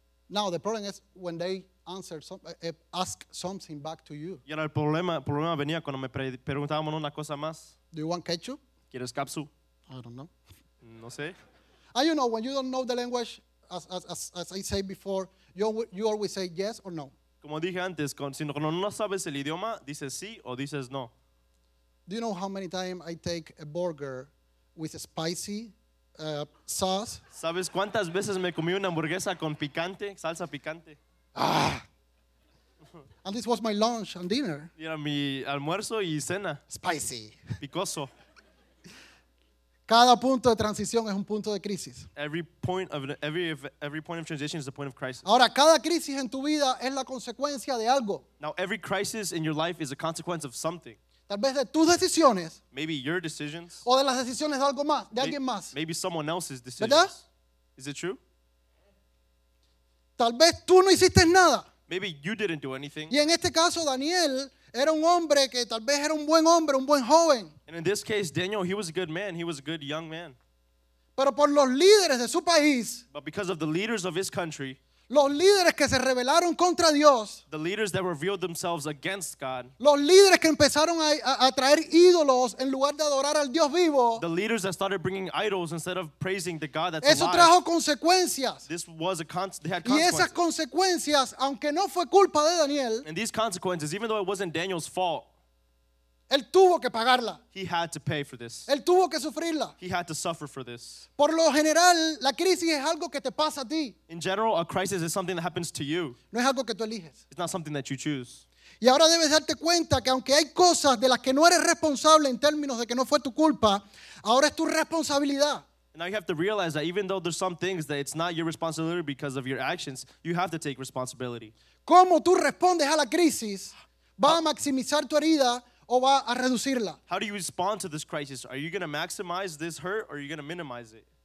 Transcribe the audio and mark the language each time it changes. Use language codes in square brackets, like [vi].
[en] Now the problem is when they answer ask something back to you. [es] Y era el problema venía cuando me preguntaban una cosa más. [en] Do you want ketchup? [es] ¿Quieres capsu? [en] I don't know. [es] No sé. [en] And you know when you don't know the language, as I said before, you always say yes or no. [es] Como dije antes, cuando no sabes el idioma, dices sí o dices no. [en] Do you know how many times I take a burger with a spicy sauce? [es] ¿Sabes cuántas veces me comí una hamburguesa con picante, salsa picante? [en] Ah. And this was my lunch and dinner. [es] Y era mi almuerzo y cena. [en] Spicy. [es] Picoso. Cada punto de transición es un punto de crisis. [en] Every point of transition is a point of crisis. [es] Ahora, cada crisis en tu vida es la consecuencia de algo. [en] Now, every crisis in your life is a consequence of something. [es] Tal vez de tus decisiones. [en] Maybe your decisions. [es] O de las decisiones de algo más, de alguien más. [en] Maybe someone else's decisions. [es] ¿Verdad? [en] Is it true? [es] Tal vez tú no hiciste nada. [en] Maybe you didn't do anything. [es] Y en este caso, Daniel era un hombre que tal vez era un buen hombre, un buen joven. [en] And in this case, Daniel, he was a good man. He was a good young man. [es] Pero por los líderes de su país. [en] But because of the leaders of his country. [es] Los líderes que se rebelaron contra Dios. [en] The leaders that revealed themselves against God. [es] Los líderes que empezaron a traer ídolos en lugar de adorar al Dios vivo. [en] The leaders that started bringing idols instead of praising the God that's [es] eso [en] alive. [es] Eso trajo consecuencias. [en] This was a they had [es] y esas consecuencias, aunque no fue culpa de Daniel. [en] And these consequences, even though it wasn't Daniel's fault. [es] Él tuvo que pagarla. [en] He had to pay for this. [es] Él tuvo que sufrirla. [en] He had to suffer for this. [es] Por lo general, la crisis es algo que te pasa a ti. [en] In general, a crisis is something that happens to you. [es] No es algo que tú eliges. [en] It's not something that you choose. [es] Y ahora debes darte cuenta que aunque hay cosas de las que no eres responsable en términos de que no fue tu culpa, ahora es tu responsabilidad. [en] And now you have to realize that even though there's some things that it's not your responsibility because of your actions, you have to take responsibility. [es] ¿Cómo tú respondes a la crisis? Va a maximizar tu herida. O va a reducirla. [en] How do you respond to this crisis? Are you going to maximize this hurt or are you going to minimize it?